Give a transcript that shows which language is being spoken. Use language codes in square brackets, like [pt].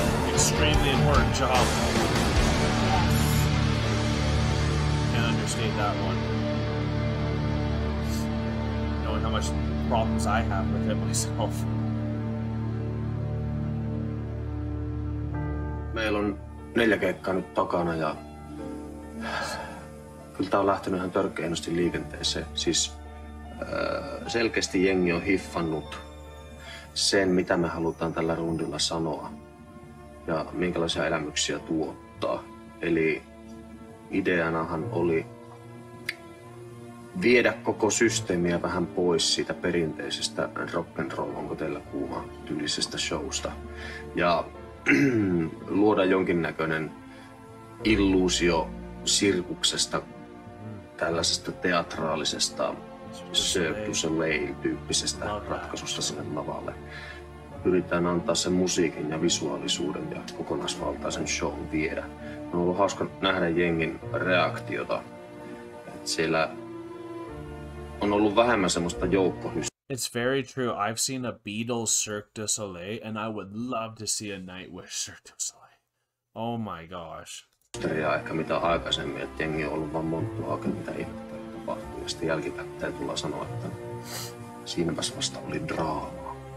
[en] Extremely important job. Can't understate that one. Knowing how much problems I have with it myself. [fi] Meillä on 4 keikkaa nyt takana ja kyllä tää on lähtenyt ihan törkeästi liikenteeseen. Siis selkeästi jengi on hiffannut sen, mitä me halutaan tällä rundilla sanoa ja minkälaisia elämyksiä tuottaa. Eli ideanahan oli viedä koko systeemiä vähän pois siitä perinteisestä rock'n'roll, onko teillä kuuma, tyylisestä showsta. Ja luoda jonkinnäköinen illuusio sirkuksesta, tällaisesta teatraalisesta Cirque du Soleil-tyyppisestä ratkaisusta sinne lavalle. Pyritään antaa sen musiikin ja visuaalisuuden ja kokonaisvaltaisen show viedä. On ollut hauska nähdä jengin reaktiota. Et siellä on ollut vähemmän semmoista joukkohystä. [en] It's very true. I've seen a Beatles Cirque du Soleil, and I would love to see a Nightwish Cirque du Soleil. Oh my gosh. [fi] Ja ehkä mitä aikaisemmin, että jengi on ollut vaan monttua oikein, mitä ihmettä tapahtuu. Ja sitten jälkikäteen tullaan sanoa, että siinäpä vasta oli draamaa.